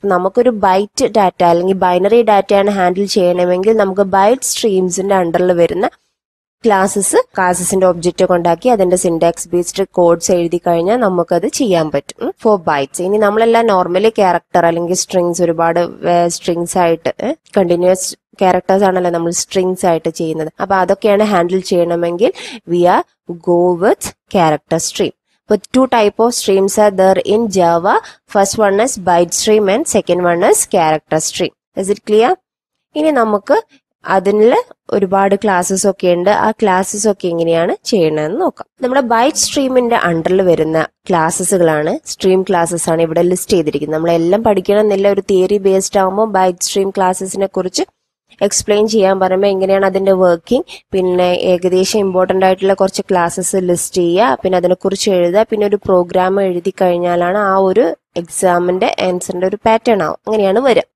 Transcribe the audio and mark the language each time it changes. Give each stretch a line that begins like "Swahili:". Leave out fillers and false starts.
Malayalam: നമുക്കൊരു byte data അല്ലെങ്കിൽ binary ഡാറ്റയാണ് ഹാൻഡിൽ ചെയ്യണമെങ്കിൽ നമുക്ക് ബൈറ്റ് സ്ട്രീംസിന്റെ അണ്ടറിൽ വരുന്ന ക്ലാസസിന്റെ ഒബ്ജക്റ്റ് കൊണ്ടാക്കി അതിന്റെ സിൻടാക്സ് ബേസ്ഡ് കോഡ്സ് എഴുതി കഴിഞ്ഞാൽ നമുക്കത് ചെയ്യാൻ പറ്റും ഫോർ ബൈറ്റ്സ്. ഇനി നമ്മളെല്ലാം നോർമലി ക്യാരക്ടർ അല്ലെങ്കിൽ സ്ട്രിങ്സ്, ഒരുപാട് സ്ട്രിങ്സ് ആയിട്ട് കണ്ടിന്യൂസ് ക്യാരക്ടേഴ്സ് ആണല്ലോ നമ്മൾ സ്ട്രിങ്സ് ആയിട്ട് ചെയ്യുന്നത്. അപ്പൊ അതൊക്കെയാണ് ഹാൻഡിൽ ചെയ്യണമെങ്കിൽ
English: We are go with character stream. But two type of streams are there in Java. First one is byte stream and second one is character stream. Is it clear?
Malayalam: ഇനി നമുക്ക് അതിനിൽ ഒരുപാട് classes ഒക്കെ ഉണ്ട്, ആ classes ഒക്കെ എങ്ങനെയാണ് ചെയ്യണമെന്ന് നോക്കാം. നമ്മുടെ ബൈറ്റ് സ്ട്രീമിന്റെ അണ്ടറിൽ വരുന്ന ക്ലാസ്സസുകളാണ്, സ്ട്രീം ക്ലാസ്സസ് ആണ് ഇവിടെ ലിസ്റ്റ് ചെയ്തിരിക്കുന്നത്. നമ്മളെല്ലാം പഠിക്കണം എന്നില്ല, ഒരു തിയറി ബേസ്ഡ് ആകുമ്പോൾ ബൈറ്റ് സ്ട്രീം ക്ലാസ്സസിനെ കുറിച്ച് എക്സ്പ്ലെയിൻ ചെയ്യാൻ പറയുമ്പോൾ എങ്ങനെയാണ് അതിന്റെ വർക്കിംഗ്, പിന്നെ ഏകദേശം ഇമ്പോർട്ടൻ്റ് ആയിട്ടുള്ള കുറച്ച് ക്ലാസ്സസ് ലിസ്റ്റ് ചെയ്യുക, പിന്നെ അതിനെക്കുറിച്ച് എഴുതുക, പിന്നെ ഒരു പ്രോഗ്രാം എഴുതി കഴിഞ്ഞാലാണ് ആ ഒരു എക്സാമിന്റെ ആൻസറിന്റെ ഒരു പാറ്റേൺ ആവും, അങ്ങനെയാണ് വരിക.